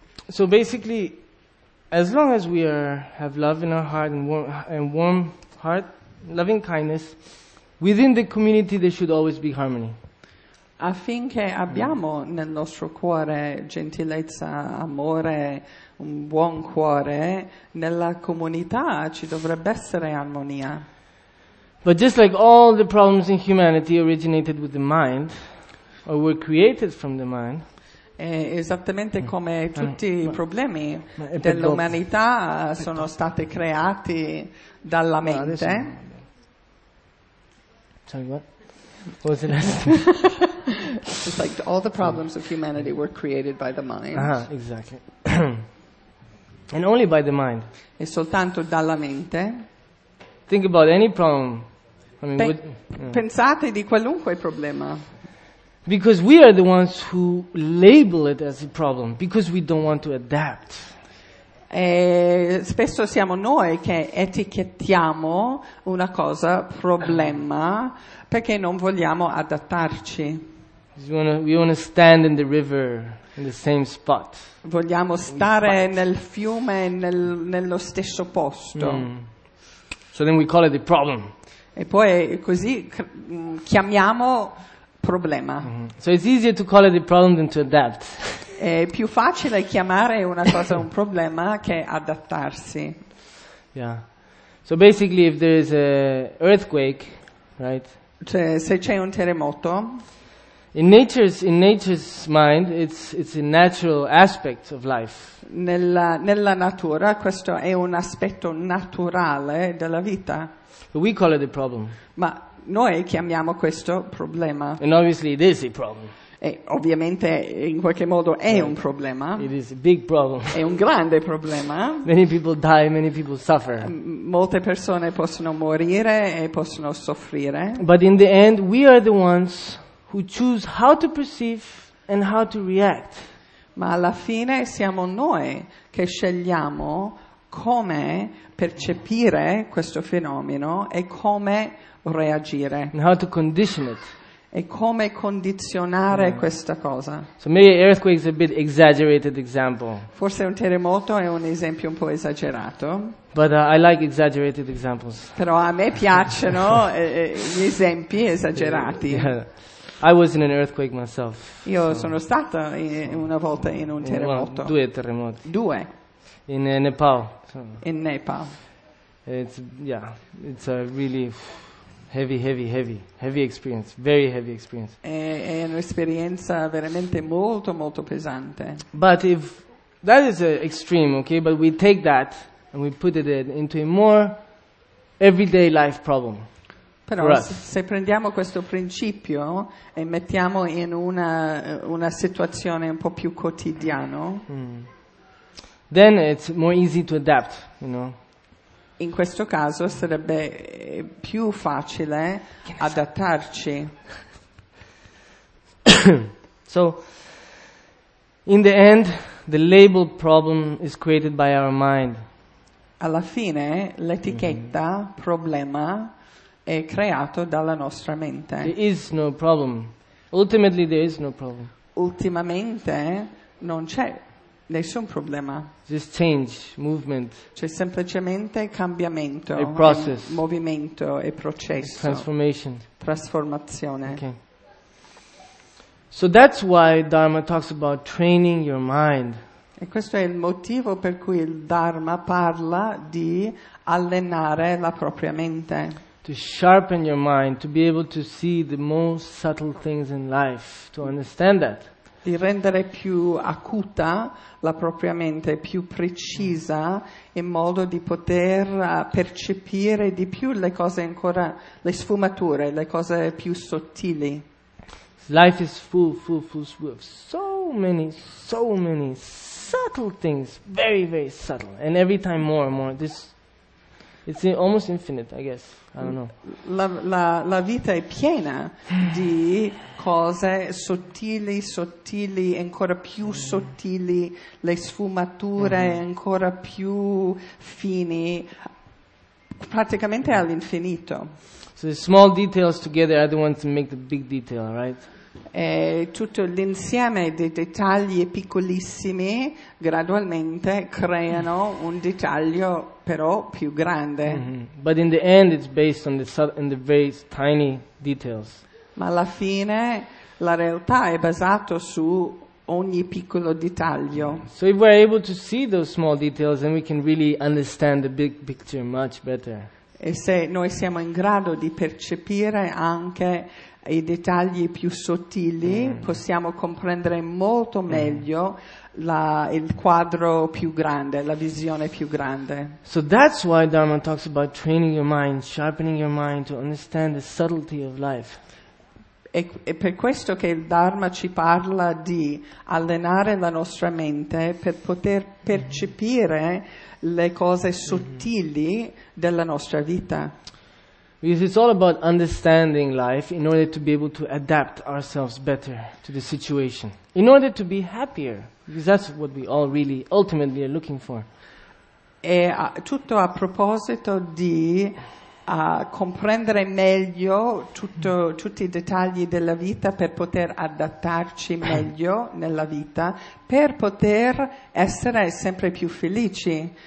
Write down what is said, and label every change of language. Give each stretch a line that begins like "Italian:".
English: So basically, as long as we have love in our heart and warm heart, loving kindness, within the community there should always be harmony.
Italian: Affinché abbiamo nel nostro cuore gentilezza, amore, un buon cuore, nella comunità ci dovrebbe essere armonia.
English: But just like all the problems in humanity originated with the mind, or were created from the mind,
Italian: esattamente come tutti i problemi dell'umanità sono stati creati dalla mente.
English: Sorry, what was the last thing? Just like all the problems of humanity were created by the mind. Exactly. And only by the mind.
Italian: E soltanto dalla mente.
English: Think about any problem.
Italian: Pensate di qualunque problema.
English: Because we are the ones who label it as a problem, because we don't want to adapt.
Italian: E spesso siamo noi che etichettiamo una cosa problema perché non vogliamo adattarci.
English: We wanna stand in the river in the same spot.
Italian: Vogliamo stare nel fiume nello stesso posto.
English: So then we call it a problem.
Italian: E poi così chiamiamo problema.
English: So it's easier to call it a problem than to adapt.
Italian: È più facile chiamare una cosa un problema che adattarsi.
English: Yeah. So basically if there is a earthquake, right?
Italian: Cioè, se c'è un terremoto.
English: In nature's mind it's a natural aspect of life.
Italian: Nella natura questo è un aspetto naturale della vita.
English: But we call it a problem.
Italian: Ma noi chiamiamo questo problema.
English: And obviously it is a problem.
Italian: E ovviamente in qualche modo è un problema.
English: It is a big problem.
Italian: È un grande problema.
English: Many people die, many people suffer.
Italian: Molte persone possono morire e possono soffrire.
English: But in the end we are the ones who choose how to perceive and how to react.
Italian: Ma alla fine siamo noi che scegliamo come percepire questo fenomeno e come reagire.
English: And how to condition it.
Italian: E come condizionare questa cosa?
English: So maybe earthquake is a bit exaggerated example.
Italian: Forse un terremoto è un esempio un po' esagerato.
English: But I like exaggerated examples.
Italian: Però a me piacciono gli esempi esagerati.
English: I was in an earthquake myself.
Italian: Io sono stata una volta in un terremoto. Well, due terremoti. Due.
English: In Nepal.
Italian: In Nepal.
English: It's a really heavy experience. Very heavy experience.
Italian: È un'esperienza veramente molto molto pesante.
English: But if that is extreme, okay? But we take that and we put it into a more everyday life problem.
Italian: Però se prendiamo questo principio e mettiamo in una situazione un po' più quotidiano,
English: then it's more easy to adapt, you know.
Italian: In questo caso sarebbe più facile adattarci.
English: So, in the end, the label problem is created by our mind.
Italian: Alla fine, l'etichetta problema è creato dalla nostra mente.
English: There is no problem. Ultimately, there is no problem.
Italian: Ultimamente, non c'è nessun problema.
English: Just change, movement.
Italian: C'è semplicemente cambiamento.
English: A process.
Italian: Movimento e processo.
English: Transformation.
Italian: Trasformazione.
English: Okay. So that's why Dharma talks about training your mind.
Italian: E questo è il motivo per cui il Dharma parla di allenare la propria mente.
English: To sharpen your mind, to be able to see the most subtle things in life, to understand that.
Italian: Di rendere più acuta la propria mente, più precisa, in modo di poter percepire di più le cose ancora, le sfumature, le cose più sottili.
English: Life is full of so many subtle things, very, very subtle, and every time more and more. It's almost infinite, I guess. I don't know.
Italian: La vita è piena di cose sottili, ancora più sottili, le sfumature ancora più fini, praticamente all'infinito.
English: So the small details together are the ones that make the big detail, right?
Italian: E tutto l'insieme dei dettagli piccolissimi gradualmente creano un dettaglio però più grande.
English: But in the end it's based on the very tiny details.
Italian: Ma alla fine la realtà è basata su ogni piccolo dettaglio.
English: So if we're able to see those small details, then we can really understand the big picture much better.
Italian: E se noi siamo in grado di percepire anche i dettagli più sottili, possiamo comprendere molto meglio il quadro più grande, la visione più grande.
English: So that's why Dharma talks about training your mind, sharpening your mind to understand the subtlety of life.
Italian: È per questo che il Dharma ci parla di allenare la nostra mente per poter percepire le cose sottili della nostra vita.
English: Because it's all about understanding life in order to be able to adapt ourselves better to the situation. In order to be happier. Because that's what we all really ultimately are looking for.
Italian: È tutto a proposito di comprendere meglio tutti i dettagli della vita per poter adattarci meglio nella vita, per poter essere sempre più felici.